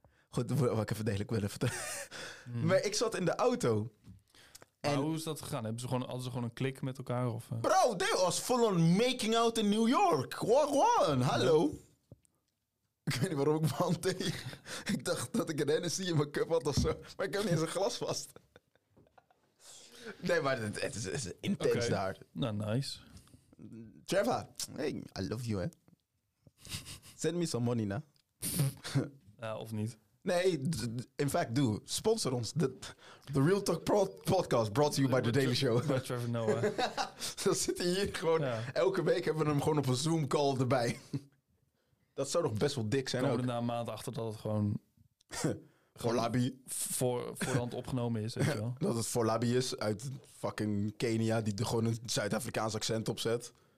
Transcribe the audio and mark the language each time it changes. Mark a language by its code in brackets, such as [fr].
[nl] Goed, wat ik even degelijk wil vertellen. Maar ik zat in de auto. En hoe is dat gegaan? Hadden ze gewoon een klik met elkaar? Of, [en] Bro, they was full on making out in New York. One. [nl] Hallo. Ik weet niet waarom ik mijn hand tegen. Ik dacht dat ik een Hennessy in mijn cup had of zo. Maar ik heb niet eens een glas vast. Nee, maar het is intens daar. Nou, nice. [en] Trevor, hey, I love you, [nl] hè. [en] Send me some money, na. [nl] Ja, of niet. Nee, [en] in fact, do. [nl] Sponsor ons. [en] The Real Talk podcast brought to you by The Daily Show. By Trevor Noah. [nl] Dan zitten hier gewoon. Ja. Elke week hebben we hem gewoon op een Zoom call erbij. Dat zou nog best wel dik zijn. Komen na een maand achter dat het gewoon... gewoon labi. Voorhand opgenomen is, weet je wel. Dat het voor labi is uit fucking Kenia. Die er gewoon een Zuid-Afrikaans accent op zet.